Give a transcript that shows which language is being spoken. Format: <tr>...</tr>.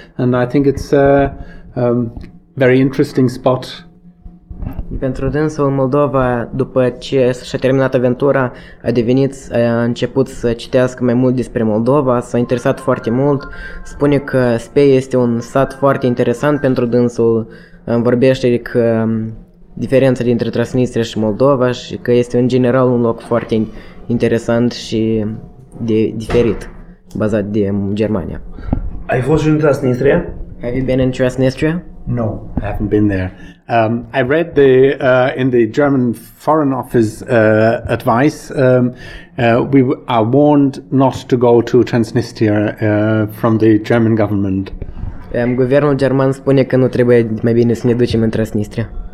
<en>And I think it's a very interesting spot.</en> <ro>Pentru dânsul, Moldova, după ce și-a terminat aventura, a început să citească mai mult despre Moldova, s-a interesat foarte mult, spune că Speyer este un sat foarte interesant pentru dânsul, vorbește că diferența dintre Transnistria și Moldova și că este în general un loc foarte interesant și diferit, bazat de Germania. Ai fost și în Transnistria?</ro> <en>Have you been in Transnistria? No, I haven't been there. I read the in the German Foreign Office advice, we are warned not to go to Transnistria from the German government.</en> <ro>Guvernul german spune că nu trebuie mai bine să ne ducem în Transnistria.</ro>